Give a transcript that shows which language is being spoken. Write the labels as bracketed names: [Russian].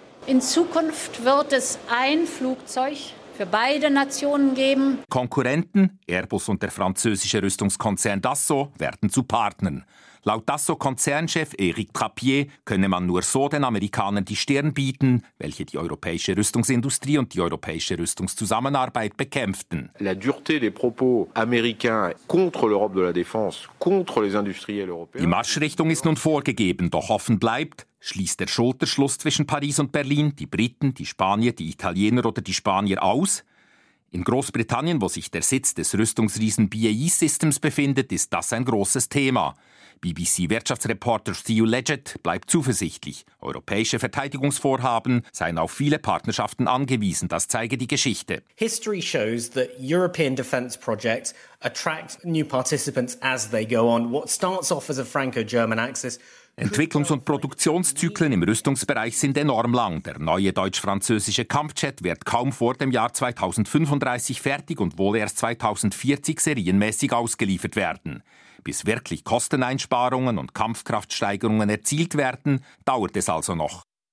[German] In Zukunft wird es ein Flugzeug für beide Nationen geben. Konkurrenten, Airbus und der französische Rüstungskonzern Dassault, werden zu Partnern. Laut Dassault-Konzernchef Éric Trappier könne man nur so den Amerikanern die Stirn bieten, welche die europäische Rüstungsindustrie und die europäische Rüstungszusammenarbeit bekämpften. [French] La dureté des propos américains contre l'Europe de la défense, contre les industriels européens. [German] Die Marschrichtung ist nun vorgegeben, doch offen bleibt, schließt der Schulterschluss zwischen Paris und Berlin die Briten, die Spanier, die Italiener oder die Spanier aus? In Großbritannien, wo sich der Sitz des Rüstungsriesen BAE Systems befindet, ist das ein großes Thema. BBC-Wirtschaftsreporter Theo Leggett bleibt zuversichtlich. Europäische Verteidigungsvorhaben seien auf viele Partnerschaften angewiesen, das zeige die Geschichte. [English] History shows that European defence projects attract new participants as they go on. What starts off as a Franco-German axis. [German] Entwicklungs- und Produktionszyklen im Rüstungsbereich sind enorm lang. Der neue deutsch-französische Kampfjet wird kaum vor dem Jahr 2035 fertig und wohl erst 2040 serienmäßig ausgeliefert werden. Bis wirklich Kosteneinsparungen und Kampfkraftsteigerungen erzielt werden, dauert es also noch.